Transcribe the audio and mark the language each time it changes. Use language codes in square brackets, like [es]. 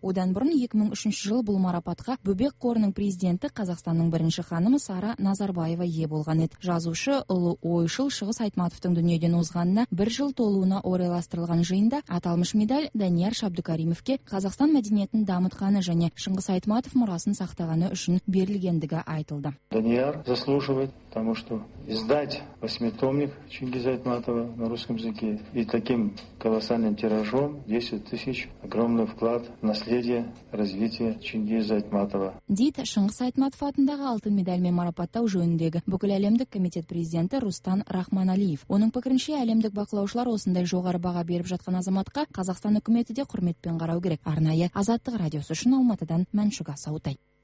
[ky] Одан бурун 2003 жылы бул марапатка Бөбөк корунун президенти Казакстандын биринчи ханымы Сара Назарбаева ээ болгон эт. Жазуучу Улу Ойшыл Шыңгыз Айтматовдун дүйнөдөн озганына 1 жыл толууна орайластырылган жыйында аталмыш медаль Данияр Шабдыкаримовге Казакстан маданиятын дамытканы жана Шыңгыз Айтматов мурасын сактаганы үчүн берилгендиги айтылды. [ru] Данияр заслуживает, потому что восьмитомник Чингиза Айтматова на русском языке и таким колоссальным тиражом 10 000 огромный вклад в наследие развития Чингиза Айтматова. [ky] Дейт Шыңгыз Айтматов атындагы алтын медаль менен марапаттау жөнүндөгү бүкүл әлемдик комитет президенти Рустан Рахманалиев. Онун пикиринче әлемдик бакылаушылар осындай жогору бага берип жаткан азаматка Казакстан өкмөтү де курмет менен карау керек. Арнайы Азаттык радиосу үчүн Алматыдан Маншук Асаутай.